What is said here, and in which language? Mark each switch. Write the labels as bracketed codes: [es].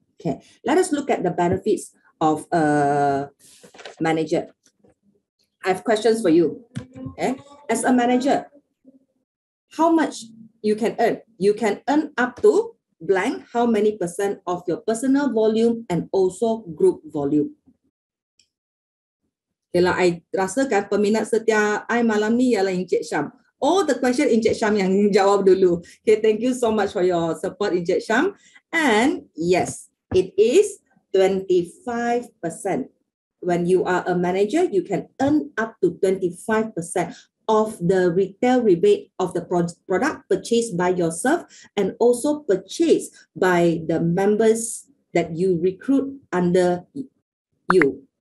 [en] Okay, let us look at the benefits of a manager. I have questions for you. Okay, as a manager, how much you can earn? You can earn up to blank how many percent of your personal volume and also group volume. [ms] Okay, lah, I rasakan peminat setia I malam ni ialah Encik Syam. [en] All the question [ms] Encik Syam yang jawab dulu. [en] Okay, thank you so much for your support Encik Syam. And yes, it is 25%. When you are a manager, you can earn up to 25% of the retail rebate of the product purchased by yourself and also purchased by the members that you recruit under you.